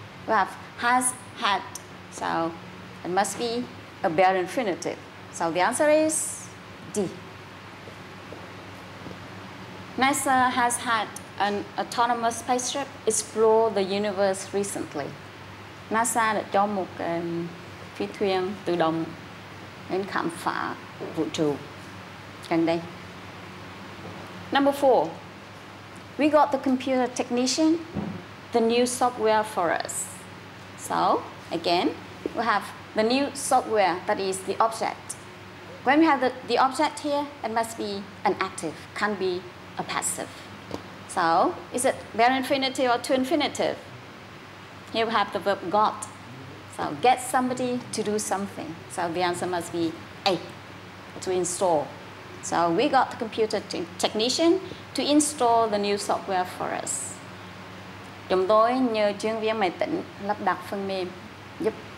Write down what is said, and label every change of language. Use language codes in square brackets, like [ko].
[en] We have has, had, so it must be a verb infinitive. So the answer is D. NASA has had an autonomous spaceship explore the universe recently. [vi] NASA đã cho một phi thuyền tự động đến khám phá vũ trụ gần đây. [en] Number four. We got the computer technician, the new software for us. So, again, we have the new software, that is the object. When we have the object here, it must be an active, can't be a passive. So, is it verb infinitive or to infinitive? Here we have the verb got. So, get somebody to do something. So, the answer must be A, to install. So we got the computer technician to install the new software for us. [vi] Chúng tôi nhờ chuyên viên máy tính lắp đặt phần mềm giúp.